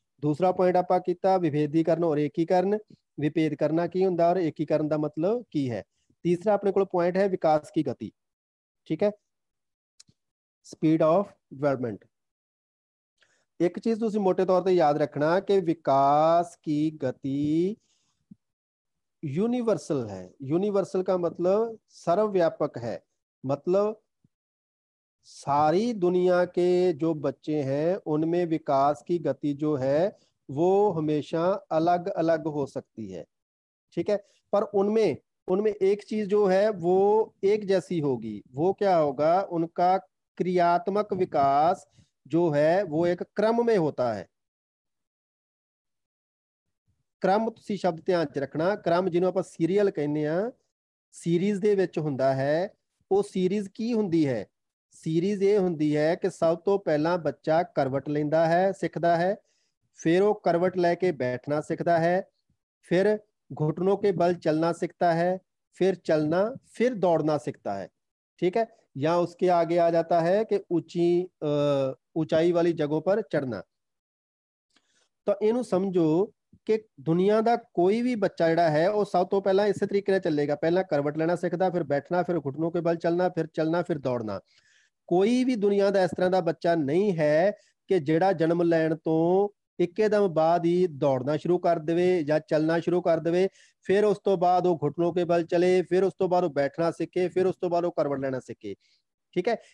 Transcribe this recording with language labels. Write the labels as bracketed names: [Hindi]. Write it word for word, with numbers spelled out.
[Punjabi] ਦੂਸਰਾ ਪੁਆਇੰਟ ਆਪਾਂ ਕੀਤਾ ਵਿਭੇਦੀਕਰਨ ਔਰ ਏਕੀਕਰਨ, ਵਿਭੇਦ ਕਰਨਾ ਕੀ ਹੁੰਦਾ ਔਰ ਏਕੀਕਰਨ ਦਾ ਮਤਲਬ ਕੀ ਹੈ। ਤੀਸਰਾ ਆਪਣੇ ਕੋਲ ਪੁਆਇੰਟ ਹੈ ਵਿਕਾਸ ਕੀ ਗਤੀ, ਠੀਕ ਹੈ, ਸਪੀਡ ਆਫ ਡਿਵੈਲਪਮੈਂਟ। ਇੱਕ ਚੀਜ਼ ਤੁਸੀਂ ਮੋٹے ਤੌਰ ਤੇ ਯਾਦ ਰੱਖਣਾ ਕਿ ਵਿਕਾਸ [Hindi] की गति यूनिवर्सल है। यूनिवर्सल का मतलब सर्वव्यापक है, मतलब सारी दुनिया के जो बच्चे हैं उनमें विकास की गति जो है वो हमेशा अलग अलग हो सकती है, ठीक है। पर उनमें उनमें एक चीज जो है वो एक जैसी होगी, वो क्या होगा, उनका क्रियात्मक विकास जो है वो एक क्रम में होता है। [Punjabi] क्रम ਤੁਸੀਂ ਸ਼ਬਦ ਧਿਆਨ ਚ ਰੱਖਣਾ, क्रम ਜਿਹਨੂੰ ਆਪਾਂ ਸੀਰੀਅਲ ਕਹਿੰਦੇ ਆ ਸੀਰੀਜ਼ ਦੇ ਵਿੱਚ ਹੁੰਦਾ ਹੈ। ਉਹ ਸੀਰੀਜ਼ ਕੀ ਹੁੰਦੀ ਹੈ? ਸੀਰੀਜ਼ ਇਹ ਹੁੰਦੀ ਹੈ ਕਿ ਸਭ ਤੋਂ ਪਹਿਲਾਂ ਬੱਚਾ ਕਰਵਟ ਲੈਂਦਾ ਹੈ, ਸਿੱਖਦਾ ਹੈ, ਫਿਰ ਉਹ [Hindi] करवट लेके बैठना सीखता है, फिर घुटनों के बल चलना सीखता है, फिर चलना, फिर दौड़ना सीखता है, ठीक है। या उसके आगे आ जाता है कि ऊंची अ, ऊंचाई वाली जगहों पर चढ़ना। [Punjabi] तो ਇਹਨੂੰ [Hindi] समझो कि दुनिया [Punjabi] ਦਾ [Hindi] कोई भी बच्चा [Punjabi] ਜਿਹੜਾ है ਉਹ ਸਭ ਤੋਂ ਪਹਿਲਾਂ ਇਸੇ ਤਰੀਕੇ ਨਾਲ ਚੱਲੇਗਾ। [Hindi] ਪਹਿਲਾਂ करवट ਲੈਣਾ सीखता, फिर बैठना, फिर घुटनों के बल चलना, फिर चलना, फिर दौड़ना। [Punjabi] ਕੋਈ ਵੀ ਦੁਨੀਆ ਦਾ ਇਸ ਤਰ੍ਹਾਂ ਦਾ ਬੱਚਾ ਨਹੀਂ ਹੈ ਕਿ ਜਿਹੜਾ ਜਨਮ ਲੈਣ ਤੋਂ ਇੱਕਦਮ ਬਾਅਦ ਹੀ ਦੌੜਨਾ ਸ਼ੁਰੂ ਕਰ ਦੇਵੇ ਜਾਂ ਚੱਲਣਾ ਸ਼ੁਰੂ ਕਰ ਦੇਵੇ, ਫਿਰ ਉਸ ਤੋਂ ਬਾਅਦ ਉਹ [Hindi] ਘੁਟਨੋਂ ਕੇ ਬਲ ਚਲੇ, [Punjabi] ਫਿਰ ਉਸ ਤੋਂ ਬਾਅਦ ਉਹ ਬੈਠਣਾ ਸਿੱਖੇ, ਫਿਰ ਉਸ ਤੋਂ ਬਾਅਦ ਉਹ ਕਰਵਟ ਲੈਣਾ ਸਿੱਖੇ, ਠੀਕ ਹੈ।